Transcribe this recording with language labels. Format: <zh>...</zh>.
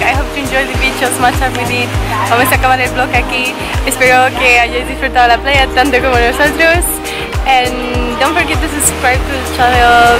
<en>I hope you enjoyed the beach as much as we did.</en> <es>Vamos a acabar el vlog aquí. Espero que hayáis disfrutado la playa tanto como nosotros.</es> <en>And don't forget to subscribe to the channel.</en>